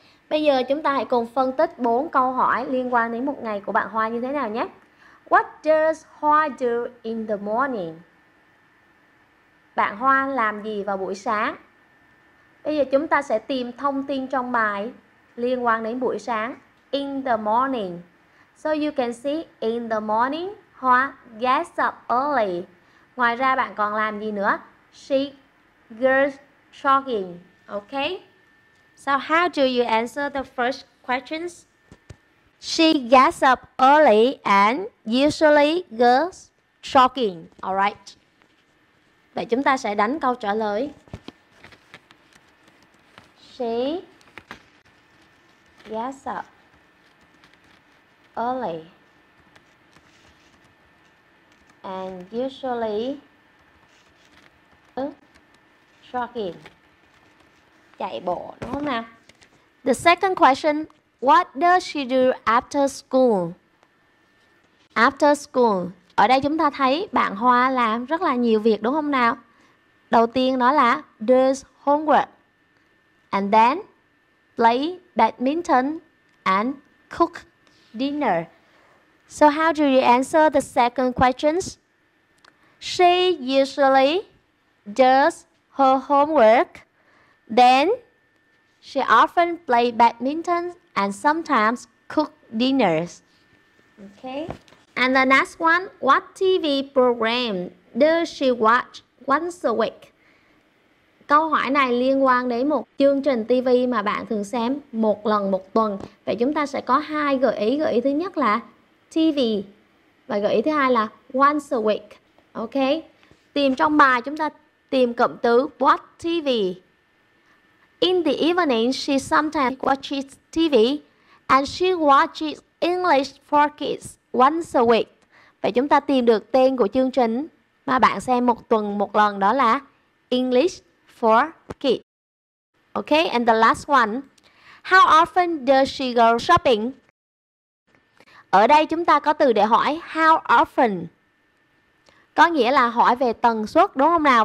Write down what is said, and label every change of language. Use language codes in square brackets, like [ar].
[vi] Bây giờ chúng ta hãy cùng phân tích 4 câu hỏi liên quan đến một ngày của bạn Hoa như thế nào nhé. [en] What does Hoa do in the morning? [vi] Bạn Hoa làm gì vào buổi sáng? Bây giờ chúng ta sẽ tìm thông tin trong bài liên quan đến buổi sáng. [en] In the morning. So you can see in the morning, Hoa gets up early. [vi] Ngoài ra bạn còn làm gì nữa? [en] She goes jogging. Okay. So how do you answer the first questions? She gets up early and usually goes jogging. Alright. [vi] Vậy chúng ta sẽ đánh câu trả lời. [en] She gets up early and usually jogging. [vi] Chạy bộ đúng không nào? [en] The second question, what does she do after school? After school. [vi] Ở đây chúng ta thấy bạn Hoa làm rất là nhiều việc đúng không nào? Đầu tiên đó là [en] does homework. And then play badminton and cook dinner. So how do you answer the second questions? She usually does her homework. Then she often play badminton and sometimes cook dinners. Okay. And the next one, what TV program does she watch once a week? [vi] Câu hỏi này liên quan đến một chương trình TV mà bạn thường xem một lần một tuần. Vậy chúng ta sẽ có hai gợi ý. Gợi ý thứ nhất là TV. Và gợi ý thứ hai là [en] once a week. [vi] Ok. Tìm trong bài chúng ta tìm cụm từ [en] watch TV. In the evening, she sometimes watches TV and she watches English for Kids once a week. [vi] Vậy chúng ta tìm được tên của chương trình mà bạn xem một tuần một lần đó là English for Kids. [en] Okay, and the last one. How often does she go shopping? [vi] Ở đây chúng ta có từ để hỏi [en] how often. [vi] có nghĩa là hỏi về tần suất, đúng không nào?